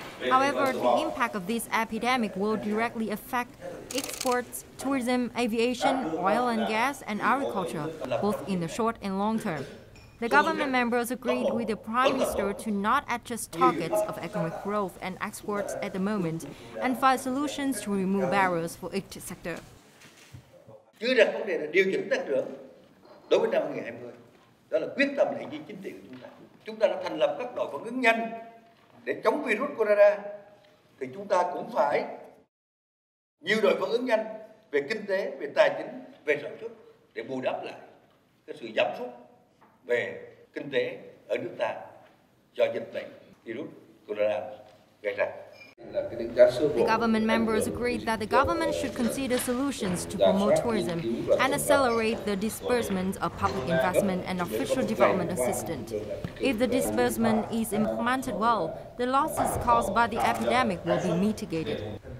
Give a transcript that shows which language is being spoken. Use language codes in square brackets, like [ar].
[en] However, the impact of this epidemic will directly affect exports, tourism, aviation, oil and gas, and agriculture, both in the short and long term. The government members agreed with the Prime Minister to not adjust targets of economic growth and exports at the moment and find solutions to remove barriers for each sector. [vi] Chưa đặt vấn đề là điều chỉnh tăng trưởng đối với năm 2020. Đó là quyết tâm hành vi chính trị của chúng ta. Chúng ta đã thành lập các đội phản ứng nhanh để chống virus corona, thì chúng ta cũng phải nhiều đội phản ứng nhanh về kinh tế, về tài chính, về sản xuất để bù đắp lại cái sự giảm sút về kinh tế ở nước ta do dịch bệnh virus corona gây ra. [en] The government members agreed that the government should consider solutions to promote tourism and accelerate the disbursement of public investment and official development assistance. If the disbursement is implemented well, the losses caused by the epidemic will be mitigated.